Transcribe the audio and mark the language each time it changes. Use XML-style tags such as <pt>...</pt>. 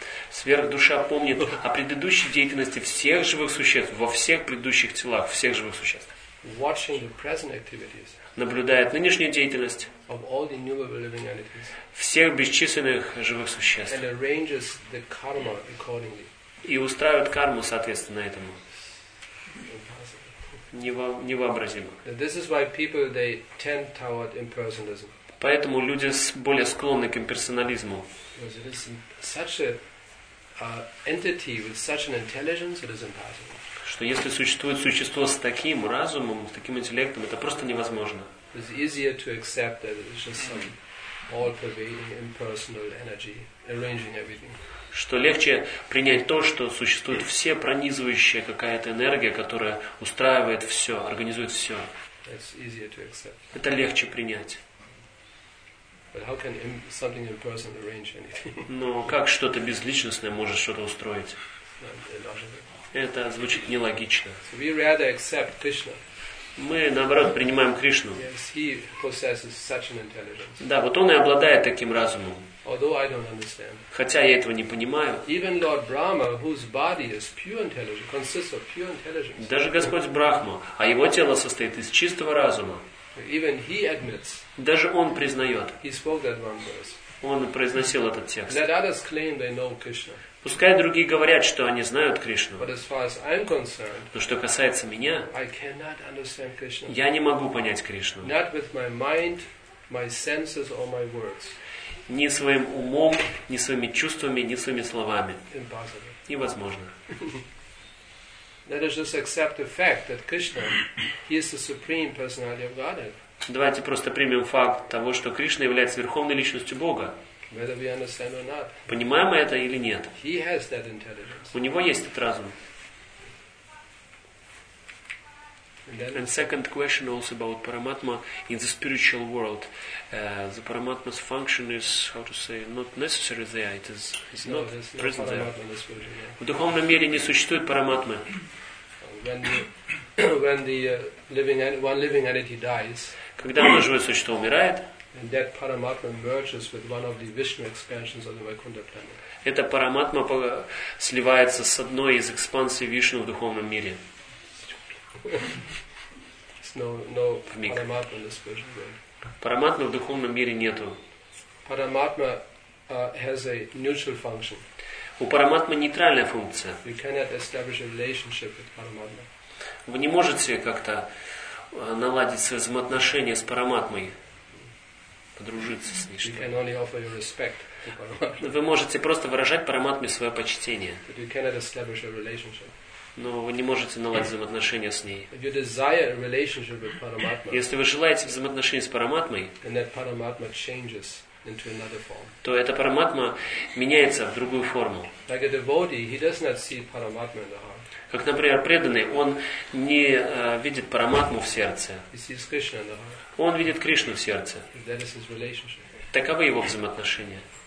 <ru>Сверхдуша помнит о предыдущей деятельности всех живых существ, во всех предыдущих телах, всех живых существ.</ru> <en>Watching the present activities.</en> <ru>Наблюдает нынешнюю деятельность.</ru> <en>Of all the innumerable living entities.</en> <ru>Всех бесчисленных живых существ.</ru> <en>And arranges the karma accordingly.</en> <ru>И устраивает карму соответственно этому.</ru> <en>Impossible.</en> <ru>Невообразимо.</ru> <en>This is why people they tend toward impersonalism.</en> <ru>Поэтому люди более склонны к имперсонализму.</ru> <en>Because it is such a entity with such an intelligence, it is impossible.</en> <ru>Что если существует существо с таким разумом, с таким интеллектом, это просто невозможно.</ru> <en>It's easier to accept that it's just some all-pervading impersonal energy arranging everything.</en> <ru>Что легче принять то, что существует все пронизывающая какая-то энергия, которая устраивает все, организует все.</ru> <en>It's easier to accept.</en> <ru>Это легче принять.</ru> <en>But how can something impersonal arrange anything?</en> <ru>Но как что-то безличностное может что-то устроить? Это звучит нелогично.</ru> <en>So we rather accept Krishna.</en> <ru>Мы, наоборот, принимаем Кришну.</ru> <en>Yes, he possesses such an intelligence.</en> <ru>Да, вот он и обладает таким разумом.</ru> <en>Although I don't understand.</en> <ru>Хотя я этого не понимаю.</ru> <en>Even Lord Brahma, whose body is pure intelligence, consists of pure intelligence.</en> <ru>Даже Господь Брахма, а его тело состоит из чистого разума.</ru> <en>Even he admits.</en> <ru>Даже он признает.</ru> <en>He spoke that one verse.</en> <ru>Он произносил этот текст.</ru> <en>Let others claim they know Krishna.</en> <ru>Пускай другие говорят, что они знают Кришну.</ru> <en>But as far as I'm concerned,</en> <ru>но что касается меня,</ru> <en>I cannot understand Krishna.</en> <ru>Я не могу понять Кришну.</ru> <en>Not with my mind, my senses or my words.</en> <ru>Ни своим умом, ни своими чувствами, ни своими словами.</ru> <en>Impossible.</en> <ru>Невозможно.</ru> <en>Let us just accept the fact that Krishna, he is the supreme personality of Godhead.</en> <ru>Давайте просто примем факт того, что Кришна является верховной личностью Бога.</ru> <en>Whether we understand or not.</en> <ru>Понимаем мы это или нет?</ru> <en>He has that intelligence.</en> <ru>У него есть этот разум.</ru> <en>And second question also about Paramatma in the spiritual world. The Paramatma's function is, how to say, not necessary there. It is not present there. Yeah.</en> <ru>В духовном мире не существует Параматмы.</ru> <en>When the living entity dies.</en> <ru>Когда одно живое существо умирает.</ru> <en>And that Paramatma merges with one of the Vishnu expansions of the Vaikuntha planet.</en> <ru>Эта Параматма сливается с одной из экспансий Вишну в духовном мире.</ru> <en>no Paramatma in the spiritual world.</en> <ru>Параматма в духовном мире нету.</ru> <en>Параматма has a neutral function.</en> <ru>У параматмы нейтральная функция.</ru> <en>You cannot establish a relationship with Paramatma.</en> <ru>Вы не можете как-то наладить свои взаимоотношения с параматмой, подружиться с ней.</ru> <en>You can only offer your respect to Paramatma.</en> <ru>Вы можете просто выражать параматме свое почтение.</ru> <en>But you cannot establish a relationship.</en> <ru>Но вы не можете наладить взаимоотношения с ней.</ru> <en>If you desire a relationship with Paramatma,</en> <ru>если вы желаете взаимоотношения с параматмой,</ru> <en>and that Paramatma changes into another form.</en> <ru>То эта параматма меняется в другую форму.</ru> <en>Like a devotee, he does not see Paramatma in the heart.</en> <ru>Как, например, преданный, он не видит параматму в сердце.</ru> <en>He sees Krishna in the heart.</en> <ru>Он видит Кришну в сердце.</ru> <en>That is his relationship.</en> <ru>Таковы его взаимоотношения.</ru>